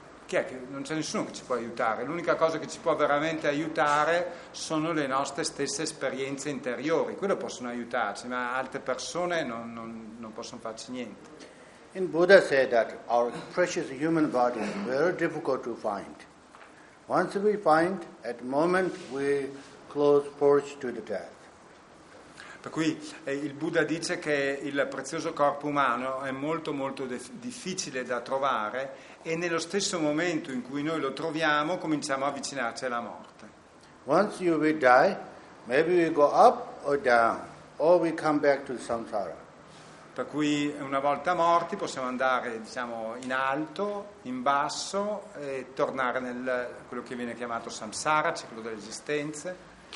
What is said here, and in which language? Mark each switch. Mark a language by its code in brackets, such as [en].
[it] chi è che non c'è nessuno che ci può aiutare. L'unica cosa che ci può veramente aiutare sono le nostre stesse esperienze interiori. Quello possono aiutarci, ma altre persone non possono farci niente. [en] In Buddha said that our precious human body is very difficult to find. Once we find, at the moment we close porch to the death. [it] Per cui il Buddha dice che il prezioso corpo umano è molto molto difficile da trovare e nello stesso momento in cui noi lo troviamo cominciamo a avvicinarci alla morte. [en] Once you will die, maybe we go up or down, or we come back to samsara. [it] Per cui una volta morti possiamo andare, diciamo, in alto, in basso e tornare nel quello che viene chiamato samsara, ciclo delle esistenze.